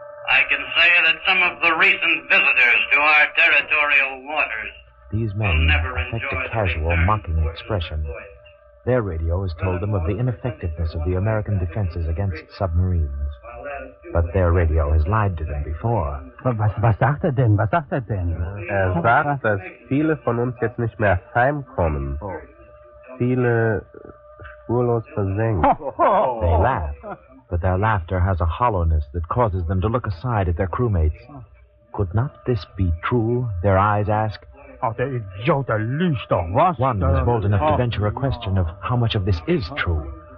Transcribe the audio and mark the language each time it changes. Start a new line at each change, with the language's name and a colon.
English: I can say that some of the recent visitors to our territorial waters... These men affect a casual, mocking expression. Their radio has told them of the ineffectiveness of the American defenses against submarines. But their radio has lied to them before.
German: Was sagt denn? Was sagt denn? Sagt, dass viele von uns jetzt nicht mehr heimkommen. Viele spurlos versenkt.
English: They laugh, but their laughter has a hollowness that causes them to look aside at their crewmates. Could not this be true, their eyes ask? One is bold enough to venture a question of how much of this is true.